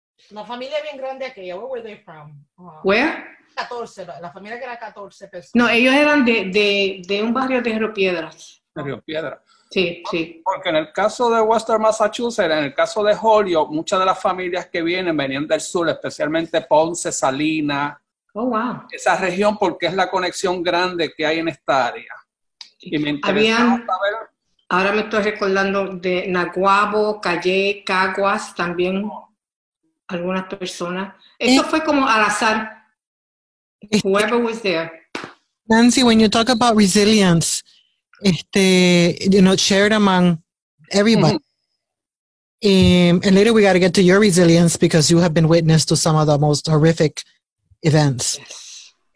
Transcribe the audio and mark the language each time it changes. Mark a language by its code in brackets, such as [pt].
[es] La familia bien grande aquella, [en] where were they from? Where? [es] 14, la familia que era 14 personas. No, ellos eran de un barrio de Río Piedras. Río Piedras. Sí, sí. Porque en el caso de Western Massachusetts, en el caso de Holyoke, muchas de las familias que vienen venían del sur, especialmente Ponce, Salinas. [en] Oh, wow. [es] Esa región, porque es la conexión grande que hay en esta área. Y me interesa saber. Ahora me estoy recordando de Naguabo, Calle, Caguas, también algunas personas. Eso fue como al azar. [en] Whoever was there. Nancy, when you talk about resilience, you know, shared among everybody. Mm-hmm. And later we got to get to your resilience because you have been witness to some of the most horrific events.